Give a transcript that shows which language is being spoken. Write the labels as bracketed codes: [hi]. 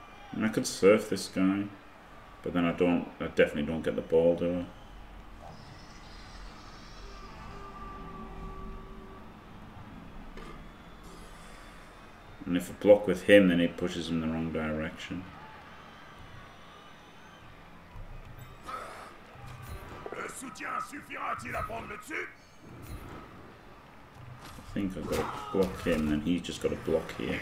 [en] And I could surf this guy, but then I definitely don't get the ball, do I? And if I block with him, then it pushes him in the wrong direction. [fr] Le soutien suffira-t-il à prendre le dessus? [en] I think I've got to block him, and he's just got to block here.